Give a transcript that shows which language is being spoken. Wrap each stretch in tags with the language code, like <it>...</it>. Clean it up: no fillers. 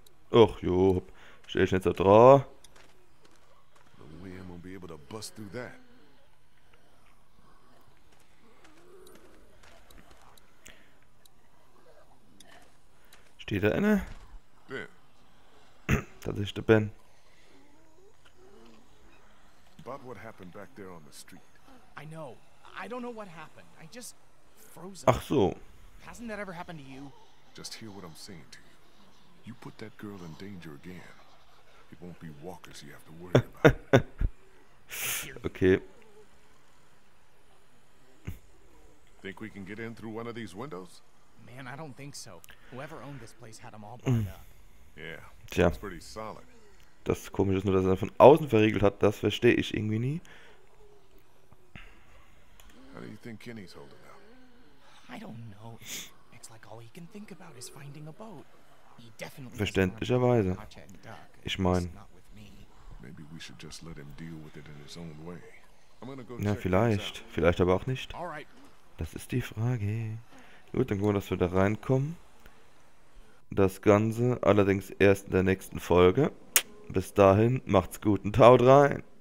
<de>Ach jo, stell ich jetzt da dran.</de> <en>No way I'm gonna be able to bust through that.</en> <de>Steht da inne? Ben. Das ist der Ben.</de> <en>About what happened back there on the street. I know. I don't know what happened. I just froze.</en> <de>Ach so.</de> <en>Hasn't that ever happened to you? Just hear what I'm saying to you. You put that girl in danger again. It won't be walkers you have to worry about. Okay. Think we can get in through one of these windows? Man, I don't think so. Whoever owned this place had them all barred up. Yeah.</en> <de>Tja.</de> <en>It's pretty solid.</en> <de>Das komische ist nur, dass er von außen verriegelt hat, das verstehe ich irgendwie nie.</de> <en>How do you think Kenny's holding up? I don't know. It's like all he can think about is finding a boat.</en> <de>Verständlicherweise. Ich meine,</de> <en>maybe we should just let him deal with it in his own way.</en> <de>Na, vielleicht. Vielleicht aber auch nicht. Das ist die Frage. Gut, dann gucken wir, dass wir da reinkommen. Das Ganze allerdings erst in der nächsten Folge. Bis dahin, macht's gut und haut rein.</de>